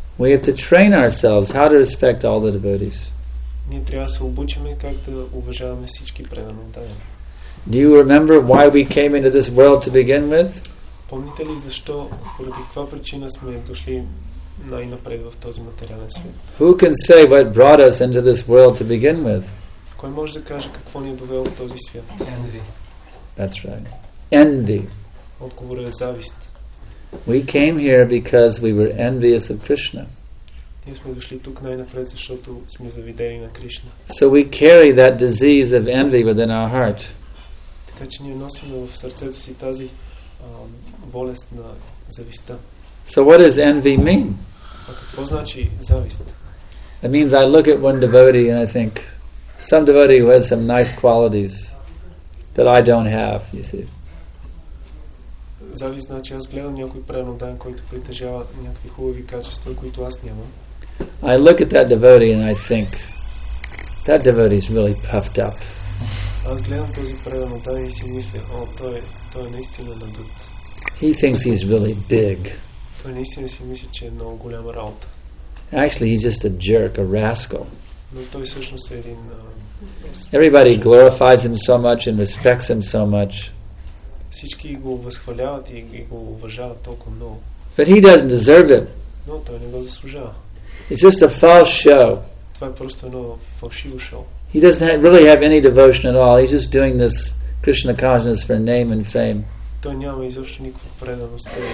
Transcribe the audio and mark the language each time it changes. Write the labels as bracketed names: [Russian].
[English] We have to train ourselves how to respect all the devotees. [Bulgarian] Ние трябва да се обучиме как да уважаваме всички преданите. [English] Do you remember why we came into this world to begin with? [Bulgarian] Помните ли защо, поради каква причина сме дошли най-напред в този материален свят? [English] Who can say what brought us into this world to begin with? [Bulgarian] Кой може да каже какво ни е довело в този свят? [English] Envy. That's right. Envy. [Bulgarian] Отговорът е завист. [English] We came here because we were envious of Krishna. [Bulgarian] Ние сме дошли тук най-напред, защото сме завидели на Кришна. [English] So we carry that disease of envy within our heart. [Bulgarian] Така че ние носим в сърцето си тази болест на завистта. [English] So what does envy mean? [Bulgarian] А какво значи завист? [English] It means I look at one devotee and I think some devotee who has some nice qualities that I don't have, you see. [Bulgarian] Завист значи аз гледам някой преданодан, който притежава някакви хубави качества, които аз нямам. [English] I look at that devotee and I think that devotee is really puffed up. [Bulgarian] Аз гледам този преданодан и си мисля, о, той е наистина надут. [English] He thinks he's really big. [Bulgarian] Той наистина си мисли, че е много голяма работа. [English] Actually, he's just a jerk, a rascal. [Bulgarian] Но той всъщност е един... [English] Everybody glorifies him so much and respects him so much. [Bulgarian] Всички го възхваляват и го уважават толкова много. [English] But he doesn't deserve it. [Bulgarian] Но той не го заслужава. [English] It's just a false show. [Bulgarian] Това е просто едно фалшиво шоу. [English] He doesn't really have any devotion at all. He's just doing this Krishna consciousness for name and fame. [Bulgarian] Той няма изобщо никаква преданост.